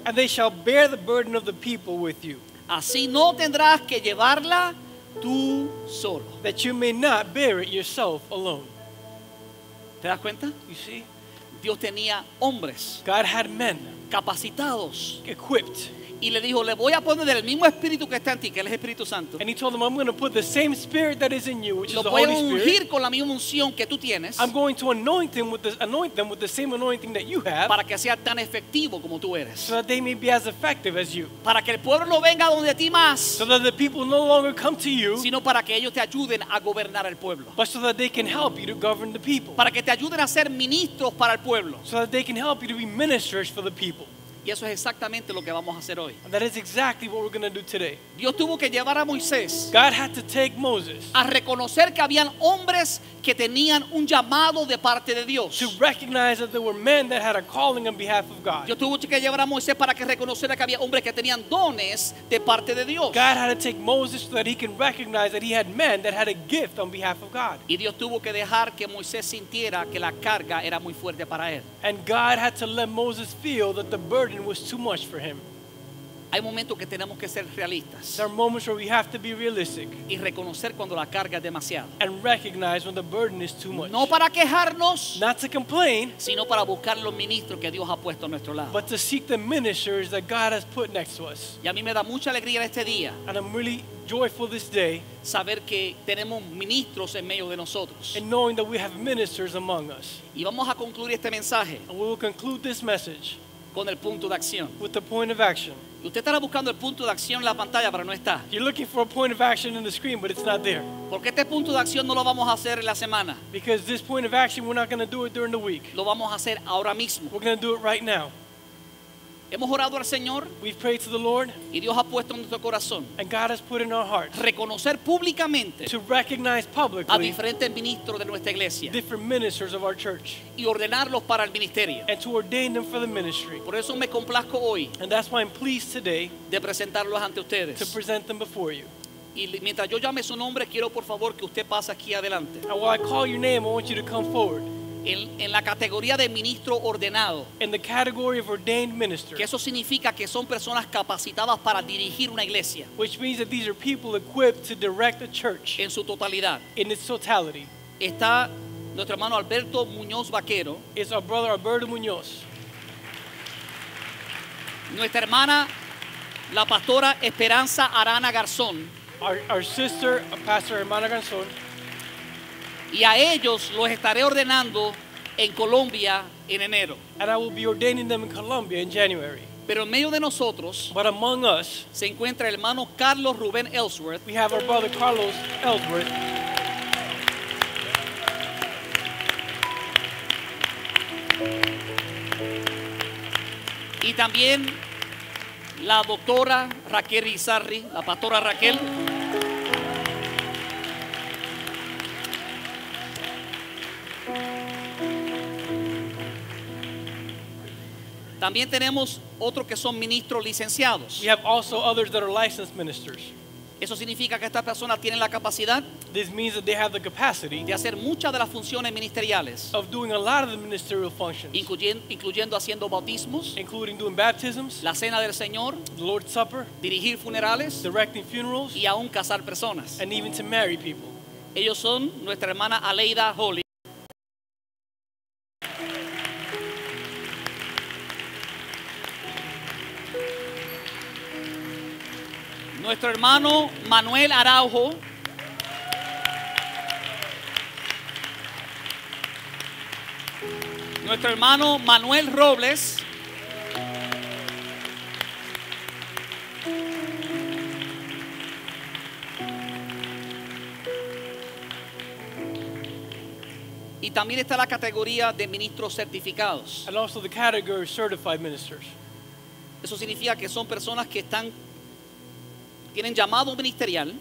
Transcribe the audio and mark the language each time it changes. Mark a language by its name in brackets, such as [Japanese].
[English] And they shall bear the burden of the people with you. [Spanish] Así no tendrás que llevarla tú solo. [English] That you may not bear it yourself alone. [Spanish] ¿Te das cuenta? [English] You see? [Spanish] Dios tenía hombres. [English] God had men. [Spanish] Capacitados. [English] Equipped. [Spanish] Y le dijo, le voy a poner del mismo espíritu que está en ti, que es el Espíritu Santo. [English] And he told them, I'm going to put the same spirit that is in you, which [Spanish] lo [English] is the Holy Spirit. [Spanish] Lo voy a ungir con la misma unción que tú tienes. [English] I'm going to anoint them with the same anointing that you have. [Spanish] Para que sea tan efectivo como tú eres. [English] So that they may be as effective as you. [Spanish] Para que el pueblo no venga donde ti más. [English] So that the people no longer come to you. [Spanish] Sino para que ellos te ayuden a gobernar el pueblo. [English] But so that they can help you to govern the people. [Spanish] Para que te ayuden a ser ministros para el pueblo. [English] So that they can help you to be ministers for the people. [Spanish] Y eso es exactamente lo que vamos a hacer hoy. [English] That is exactly what we're going to do today. [Spanish] Dios tuvo que llevar a Moisés. [English] God had to take Moses. [Spanish] A reconocer que habían hombres que tenían un llamado de parte de Dios. [English] To recognize that there were men that had a calling on behalf of God. [Spanish] Dios tuvo que llevar a Moisés para que reconociera que había hombres que tenían dones de parte de Dios. [English] God had to take Moses so that he can recognize that he had men that had a gift on behalf of God. [Spanish] Y Dios tuvo que dejar que Moisés sintiera que la carga era muy fuerte para él. [English] And God had to let Moses feel that the burden was too much for him. [Spanish] Hay momentos que tenemos que ser realistas. [English] There are moments where we have to be realistic. [Spanish] Y reconocer cuando la carga es demasiado. [English] And recognize when the burden is too much. [Spanish] No para quejarnos. [English] Not to complain. [Spanish] Sino para buscar los ministros que Dios ha puesto a nuestro lado. [English] But to seek the ministers that God has put next to us. [Spanish] Y a mí me da mucha alegría este día. [English] And I'm really joyful this day. [Spanish] Saber que tenemos ministros en medio de nosotros. [English] And knowing that we have ministers among us. [Spanish] Y vamos a concluir este mensaje. [English] And we will conclude this message. [Spanish] Con el punto de acción. [English] With the point of action. [Spanish] Usted estará buscando el punto de acción en la pantalla, pero no está. [English] You're looking for a point of action in the screen, but it's not there. [Spanish] Porque este punto de acción no lo vamos a hacer en la semana. [English] Because this point of action, we're not going to do it during the week. [Spanish] Lo vamos a hacer ahora mismo. [English] We're going to do it right now. [Spanish] Hemos orado al Señor. [English] We've prayed to the Lord. [Spanish] Y Dios ha puesto en nuestro corazón. [English] And God has put in our hearts. [Spanish] Reconocer públicamente. [English] To recognize publicly. [Spanish] A diferentes ministros de nuestra iglesia. [English] Different ministers of our church. [Spanish] Y ordenarlos para el ministerio. [English] And to ordain them for the ministry. [Spanish] Por eso me complazco hoy. [English] And that's why I'm pleased today. [Spanish] De presentarlos ante ustedes. [English] To present them before you. [Spanish] Y mientras yo llame su nombre, quiero por favor que usted pase aquí adelante. [English] And while I call your name, I want you to come forward. [Spanish] En la categoría de ministro ordenado. [English] In the category of ordained minister. [Spanish] Que eso significa que son personas capacitadas para dirigir una iglesia. [English] Which means that these are people equipped to direct a church. [Spanish] En su totalidad. [English] In its totality. [Spanish] Está nuestro hermano Alberto Muñoz Vaquero. [English] Is our brother Alberto Muñoz. [Spanish] Nuestra hermana, la pastora Esperanza Arana Garzón. [English] Our sister, Pastor Hermana Garzón. [Spanish] Y a ellos los estaré ordenando en Colombia en enero. [English] And I will be ordaining them in Colombia in January. [Spanish] Pero en medio de nosotros, [English] but among us, [Spanish] se encuentra el hermano Carlos Rubén Ellsworth. [English] We have our brother Carlos Ellsworth. [Spanish] Y también la doctora Raquel Izarri, la pastora Raquel. También tenemos otros que son ministros licenciados. [English] We have also others that are licensed ministers. [Spanish] Eso significa que estas personas tienen la capacidad. [English] This means that they have the capacity. [Spanish] De hacer muchas de las funciones ministeriales. [English] Of doing a lot of the ministerial functions. [Spanish] Incluyendo haciendo bautismos. [English] Including doing baptisms. [Spanish] La cena del Señor. [English] The Lord's Supper. [Spanish] Dirigir funerales. [English] Directing funerals. [Spanish] Y aún casar personas. [English] And even to marry people. [Spanish] Ellos son nuestra hermana Aleida Holly. Nuestro hermano Manuel Araujo. Nuestro hermano Manuel Robles. Y también está la categoría de ministros certificados. [English] And also the category of certified ministers. [Spanish] Eso significa que son personas que están tienen llamado ministerial.